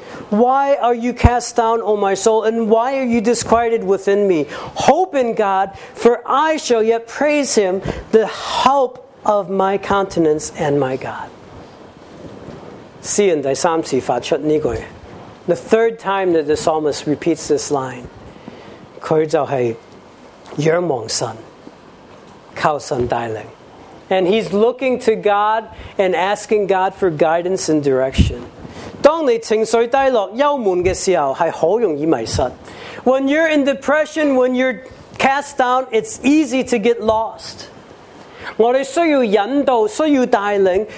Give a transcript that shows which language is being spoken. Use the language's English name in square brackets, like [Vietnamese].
[English] Why are you cast down, O my soul, and why are you disquieted within me? Hope in God, for I shall yet praise Him, the help of my countenance and my God. [Chinese] 诗人第三次发出这句, [English] the third time that the psalmist repeats this line, [Chinese] 他就是仰望神,靠神带领, [English] and he's looking to God and asking God for guidance and direction. [Chinese] 当你情绪低落,忧闷的时候,是很容易迷失。 [English] When you're in depression, when you're cast down, it's easy to get lost. [Chinese] 我们需要引导,需要带领,